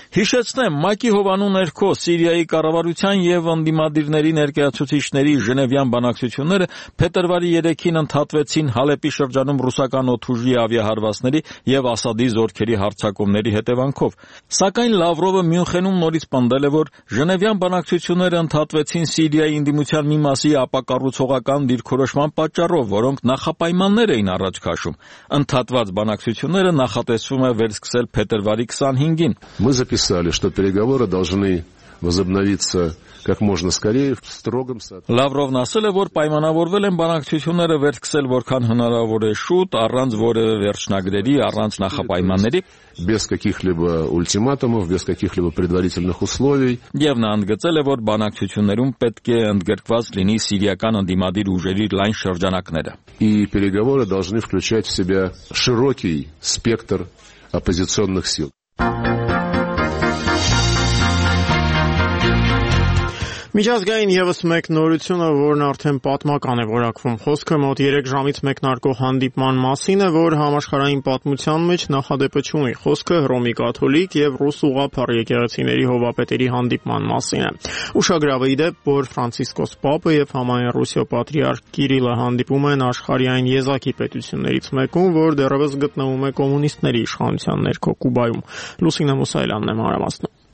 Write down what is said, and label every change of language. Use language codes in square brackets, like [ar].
[hy] Հիշեցնեմ, Մակի Հովանու ներքո Սիրիայի կառավարության և ընդդիմադիրների ներկայացուցիչների Ժնևյան բանակցությունները փետրվարի 3-ին ընդհատվեցին Հալեպի շրջանում ռուսական օդուժի ավիահարվածների և ասադի զորքերի հարձակումների հետևանքով։ Սակայն Լավրովը Մյունխենում նորից պնդել է, որ Ժնևյան բանակցությունները ընդհատվեցին Սիրիայի ընդդիմության մի մասի ապակառուցողական դիրքորոշման պատճառով, որոնք նախապայմաններ էին առաջ քաշում։ Ընդհատված բանակցությունները նախատեսվում է վերսկսել փետրվարի 25-ին։ [ru] Мы записали, что переговоры должны возобновиться как можно скорее в строгом соответствии. [hy] Лавровն ասել է, որ պայմանավորվել են բանակցությունները վերցնել որքան հնարավոր է շուտ, առանց որևէ վերջնագրերի, առանց նախապայմանների, [ru] без каких-либо ультиматумов, без каких-либо предварительных условий. [hy] Եվ նա ընդգծել է, որ բանակցություններում պետք է ընդգրկված լինի սիրիական ընդդիմադիր ուժերի լայն շրջանակները. [ru] И переговоры должны включать в себя широкий спектр оппозиционных сил. [hy] Միջազգային եւս մեկ նորությունը, որն արդեն պատմական է որակվում, խոսքը մոտ 3 ժամից մեկնարկող հանդիպման մասին է, որ համաշխարհային պատմության մեջ նախադեպը չունի, խոսքը Հռոմի Կաթոլիկ եւ Ռուս ուղղափառ եկեղեցիների հովապետերի հանդիպման մասին է։ Ուշագրավը ի դեպ, որ Ֆրանցիսկոս Պապը եւ համայն Ռուսիա Պատրիարք Կիրիլը հանդիպում են աշխարհային եզակի պետություններից մեկում, որ դեռևս գտնվում է կոմունիստների իշխանության ներքո Կուբայում։ Լուսինե Մուսայելյանն է մանրամասն։